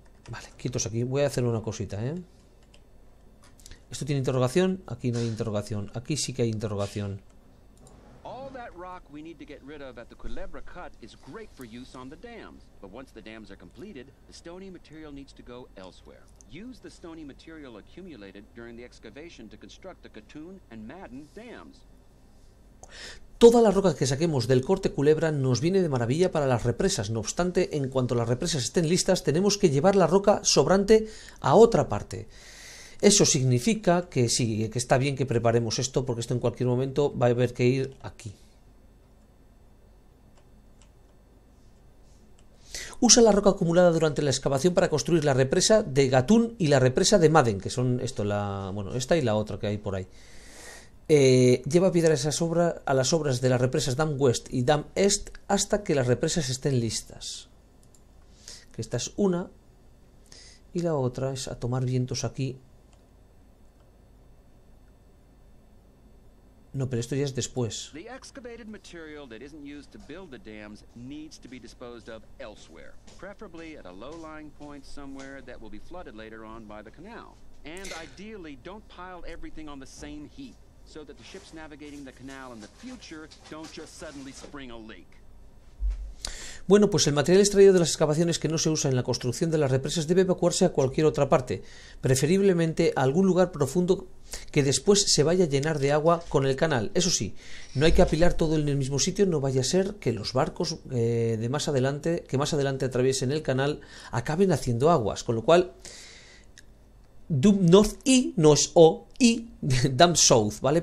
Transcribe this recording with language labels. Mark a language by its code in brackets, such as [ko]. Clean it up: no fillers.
[es] Vale, quietos aquí. Voy a hacer una cosita, ¿eh? ¿Esto tiene interrogación? Aquí no hay interrogación. Aquí sí que hay interrogación. [en] All that rock we need to get rid of at the Culebra Cut is great for use on the dams. But once the dams are completed, the stony material needs to go elsewhere. Use the stony material accumulated during the excavation to construct the Katun and Madden dams. [es] Toda la roca que saquemos del corte Culebra nos viene de maravilla para las represas. No obstante, en cuanto las represas estén listas, tenemos que llevar la roca sobrante a otra parte. Eso significa que sí, que está bien que preparemos esto, porque esto en cualquier momento va a haber que ir aquí. Usa la roca acumulada durante la excavación para construir la represa de Gatún y la represa de Madden, que son esto, la, bueno, esta y la otra que hay por ahí. Lleva piedras a sobra, a las obras de las represas Dam West y Dam East hasta que las represas estén listas. Que esta es una y la otra es a tomar vientos aquí. No, pero esto ya es después. [en] The excavated material that isn't used to build the dams needs to be disposed of elsewhere, preferably at a low-lying point somewhere that will be flooded later on by the canal. And ideally, don't pile everything on the same heap. so that the ships navigating the canal in the future don't just suddenly spring a leak. [es] Bueno, pues el material extraído de las excavaciones que no se usa en la construcción de las represas debe evacuarse a cualquier otra parte, preferiblemente a algún lugar profundo que después se vaya a llenar de agua con el canal. Eso sí, no hay que apilar todo en el mismo sitio, no vaya a ser que los barcos que más adelante atraviesen el canal acaben haciendo aguas, con lo cual Dump North y no es O y Dump South, ¿vale?